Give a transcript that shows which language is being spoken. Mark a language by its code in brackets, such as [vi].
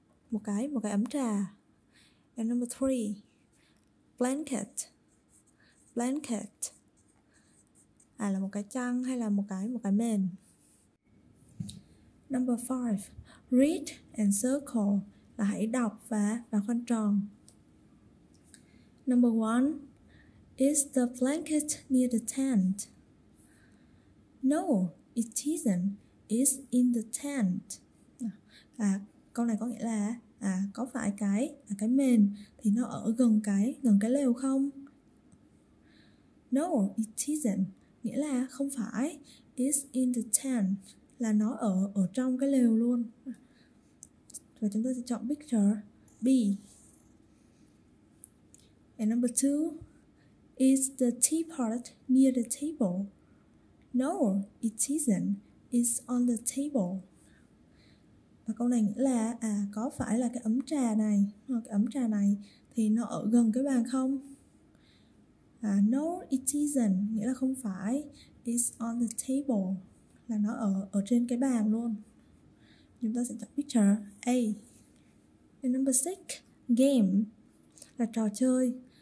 [vi] Một cái ấm trà. [en] And number 3, blanket. Blanket. [vi] Là một cái chăn hay là một cái mền. [en] Number 5, read and circle, [vi] là hãy đọc và khoanh tròn. [en] Number 1, is the blanket near the tent? No, it isn't. It's in the tent. [vi] Câu này có nghĩa là có phải cái mền thì nó ở gần cái lều không? [en] No, it isn't. [vi] Nghĩa là không phải, [en] is in the tent, [vi] là nó ở trong cái lều luôn. Và chúng ta sẽ chọn picture B. [en] And number 2, is the teapot near the table? No, it isn't, it's on the table. [vi] Và câu này nghĩa là có phải là cái ấm trà này thì nó ở gần cái bàn không? [en] No, it isn't, [vi] nghĩa là không phải. [en] It's on the table, [vi] là nó ở trên cái bàn luôn. Chúng ta sẽ chọn picture A. [en] And number 6, game, [vi] là trò chơi.